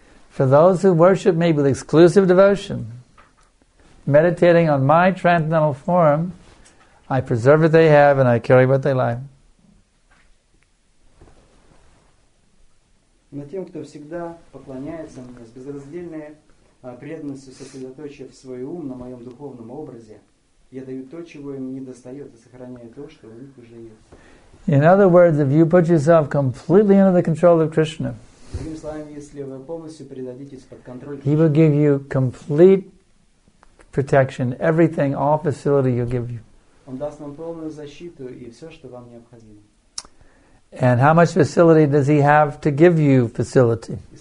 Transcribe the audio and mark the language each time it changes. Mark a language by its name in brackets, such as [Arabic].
[English] For those who worship me with exclusive devotion, meditating on my transcendental form, I preserve what they have and I carry what they like. [Russian] На тем, кто всегда поклоняется мне с безраздельной преданностью, сосредоточив свой ум на моем духовном образе, я даю то, чего им не достает, и сохраняю то, что у них уже есть. [English] In other words, if you put yourself completely under the control of Krishna, [Russian] другими словами, если вы полностью предадитесь под контроль [English] Krishna, He will give you complete protection, everything, all facility He'll give you. [Russian] Он даст вам полную защиту и все, что вам необходимо. [English] And how much facility does he have to give you facility?